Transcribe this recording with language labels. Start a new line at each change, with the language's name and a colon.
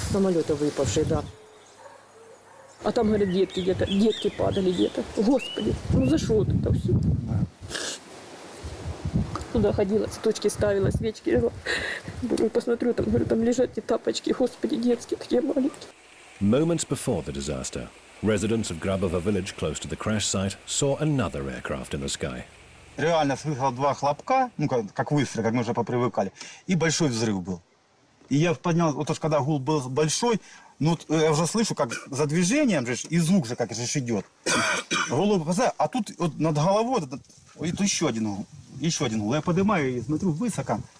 Russian: Самолета выпавшие, да. А там, говорят, детки где-то, детки падали где-то. Господи, ну за что вот это все? Туда ходила, цветочки ставила, свечки. Посмотрю, там, говорю, там лежат эти тапочки, господи, детские такие маленькие.
English: Moments before the disaster, residents of Grabova village close to the crash site saw another aircraft in the sky.
Russian: Реально слышал два хлопка, ну как выстрел, как мы уже попривыкали, и большой взрыв был. И я поднял, вот уж когда гул был большой, ну я уже слышу, как за движением же, и звук же как же идет. Голову, а тут вот над головой этот, вот еще один гул. Я поднимаю и смотрю, высоко.